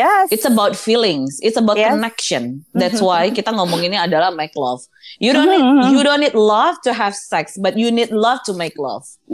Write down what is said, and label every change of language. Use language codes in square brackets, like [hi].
[en] It's about feelings, it's about connection. That's why [id] kita ngomonginnya adalah [en] make love. You don't need love to have sex, but you need love to make love.